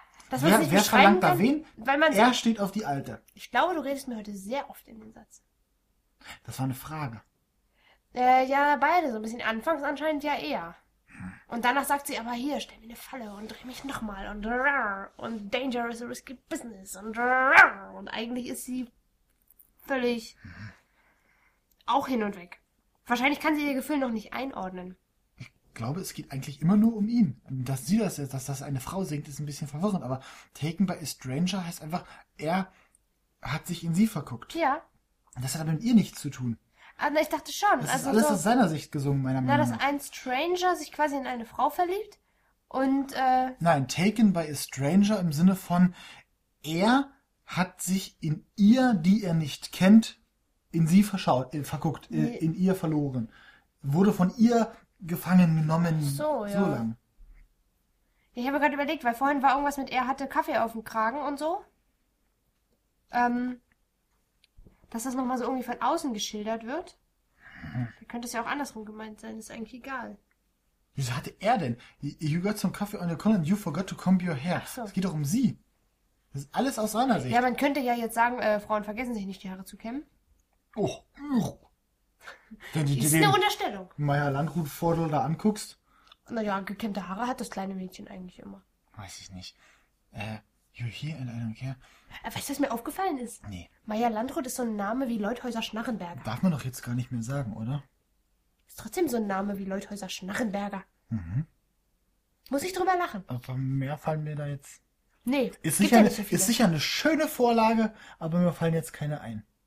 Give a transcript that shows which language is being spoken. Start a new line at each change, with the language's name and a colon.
German: Das wer, nicht wer verlangt denn, da wen? Weil man er sagt, steht auf die Alte. Ich glaube, du redest mir heute sehr oft in den Satz. Das war eine Frage. Ja, beide so ein bisschen. Anfangs anscheinend ja eher. Und danach sagt sie aber hier, stell mir eine Falle und dreh mich nochmal.
English: Und danger is a risky business.
German: Und eigentlich ist sie völlig auch hin und weg. Wahrscheinlich kann sie ihr Gefühl noch nicht einordnen. Ich glaube, es geht eigentlich immer nur um ihn. Dass sie das jetzt, dass das eine Frau singt, ist ein bisschen verwirrend. Aber Taken by a Stranger heißt einfach, er hat sich in sie verguckt. Ja. Das hat aber mit ihr nichts zu tun. Aber ich dachte schon. Das also ist alles so, aus seiner Sicht gesungen, meiner Meinung nach. Na, dass ein Stranger sich quasi in eine Frau verliebt und... Nein, Taken by a Stranger im Sinne von, er hat sich in ihr, die er nicht kennt, in sie verschaut, verguckt, nee. In ihr verloren. Wurde von ihr gefangen genommen. So, ja. So lang. Ich habe gerade überlegt, weil vorhin war irgendwas mit, er hatte Kaffee auf dem Kragen und so. Dass das nochmal so irgendwie von außen geschildert wird. Da könnte es ja auch andersrum gemeint sein, ist eigentlich egal. Wieso hatte er denn?
English: You got some coffee on your collar and you forgot to comb your hair.
German: So. Es geht doch um sie. Das ist alles aus seiner Sicht. Ja, man könnte ja jetzt sagen, Frauen vergessen sich nicht, die Haare zu kämmen. Oh. Wenn du dir eine Unterstellung. Meier Landrut-Vordel da anguckst. Naja, gekämmte Haare hat das kleine Mädchen eigentlich immer. Weiß ich nicht.
English: You're here and I don't care.
German: Weißt du, was mir aufgefallen ist? Nee. Maja Landrut ist so ein Name wie Leuthäuser Schnarrenberger. Darf man doch jetzt gar nicht mehr sagen, oder? Ist trotzdem so ein Name wie Leuthäuser Schnarrenberger. Mhm. Muss ich drüber lachen. Aber mehr fallen mir da jetzt... Nee, ist sicher, ja nicht so viele. Ist sicher eine schöne Vorlage, aber mir fallen jetzt keine ein.